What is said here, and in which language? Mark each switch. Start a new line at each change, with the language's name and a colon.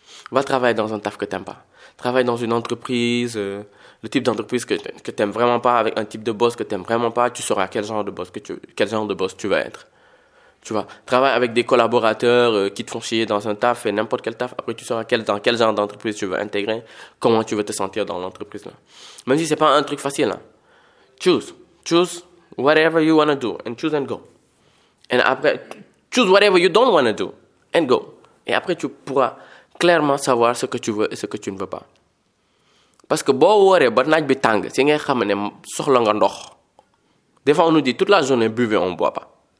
French: Va travailler dans un taf que t'aimes pas. Travaille dans une entreprise, le type d'entreprise que t'aimes vraiment pas, avec un type de boss que t'aimes vraiment pas, tu sauras quel genre de boss tu vas être. Tu vois, travaille avec des collaborateurs qui te font chier dans un taf, et n'importe quel taf, après tu sauras dans quel genre d'entreprise tu veux intégrer, comment tu veux te sentir dans l'entreprise là. Même si c'est pas un truc facile, hein.
English: Choose whatever you wanna do, and choose and go. And après, choose whatever you don't wanna do, and go.
French: Et après tu pourras clairement savoir ce que tu veux et ce que tu ne veux pas. Parce que
Wolof: bon woré ba naj bi tang si ngay xamné soxla nga ndox.
French: Des fois on nous dit toute la journée buvez, on boit pas.